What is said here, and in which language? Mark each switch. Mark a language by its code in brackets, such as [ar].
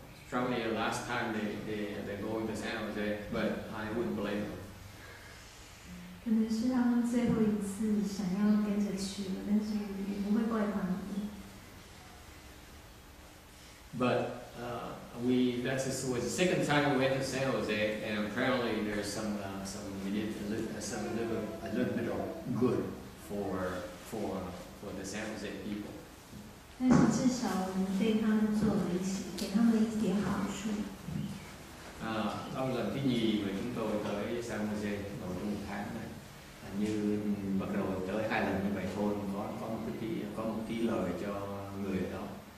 [en] Probably last time they go to San Jose, but I wouldn't blame them. [zh] 可能是他们最后一次想要跟着去了，但是也不会怪他们。 [en] But that's was the second time we went to San Jose, and apparently there's a little bit of good. For the San Jose people. [vi] Đó là lần thứ nhì mà chúng tôi tới San Jose vào trong một tháng này. Như bắt đầu tới hai lần như vậy thôi, có một tí lời cho người đó.